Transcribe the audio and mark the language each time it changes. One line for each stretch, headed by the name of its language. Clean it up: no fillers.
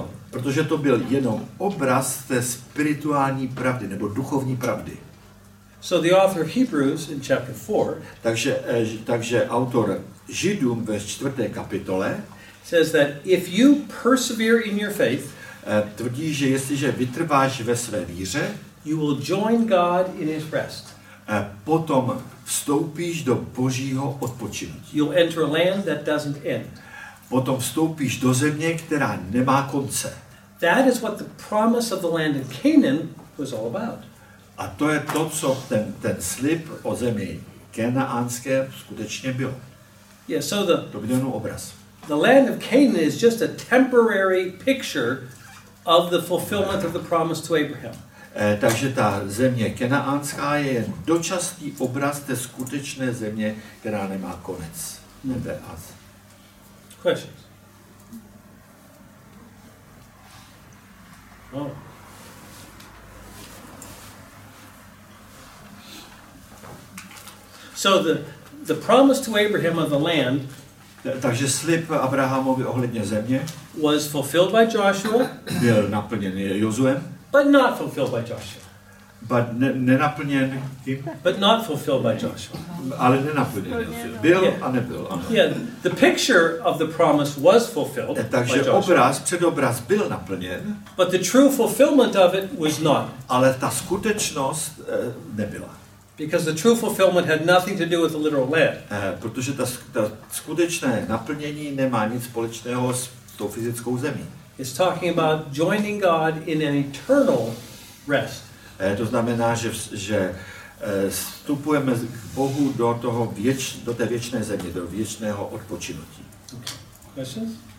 Czech: Protože to byl jenom obraz té spirituální pravdy nebo duchovní pravdy.
English: So the author of Hebrews in chapter 4,
Czech: takže autor Židům ve 4. kapitole
English: says that if you persevere in your faith,
Czech: tvrdí, že jestliže vytrváš ve své víře,
English: you will join God in his rest.
Czech: Potom vstoupíš do Božího odpočinutí.
English: You'll enter a land that doesn't end.
Czech: Potom vstoupíš do země, která nemá konce.
English: That is what the promise of the land of Canaan was all about.
Czech: A to je to, co ten slib o zemi kanaánské skutečně bylo.
English: Yeah, so the
Czech: to byl jenom obraz.
English: The land of Canaan is just a temporary picture of the fulfillment of the promise to Abraham.
Czech: Takže ta země kanaánská je jen dočasný obraz té skutečné země, která nemá konec. Nebe a zem.
English: Questions. Oh. So the promise to Abraham of the land,
Czech: takže slib Abrahamovi ohledně země,
English: was fulfilled by Joshua.
Czech: Byl naplněn Josuem.
English: But not fulfilled by Joshua. But
Czech: nenaplněn kým?
English: But not fulfilled by Joshua.
Czech: Ale nenaplněn. Byl a nebyl.
English: Yeah, the picture of the promise was fulfilled.
Czech: Takže obraz, předobraz byl naplněn.
English: But the true fulfillment of it was not.
Czech: Ale ta skutečnost nebyla.
English: Because the true fulfillment had nothing to do with the literal land.
Czech: Protože ta skutečné naplnění nemá nic společného s tou fyzickou zemí.
English: It's talking about joining God in an eternal rest.
Czech: To znamená, že vstupujeme k Bohu do toho do té věčné země, do věčného odpočinutí.
English: Okay. Questions?